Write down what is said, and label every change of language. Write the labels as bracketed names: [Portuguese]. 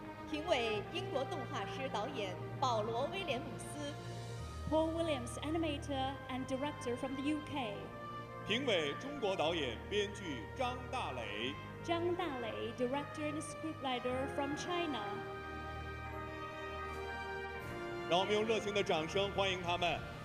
[Chinese] 评委, 英国动画师, 导演, 保罗威廉姆斯. [English] Paul Williams, animator and director from the UK. [Chinese] 评委, 中国导演, 编剧, 张大雷. [English] Zhang Dalei, director and scriptwriter from China. [Chinese] 让我们用热情的掌声欢迎他们。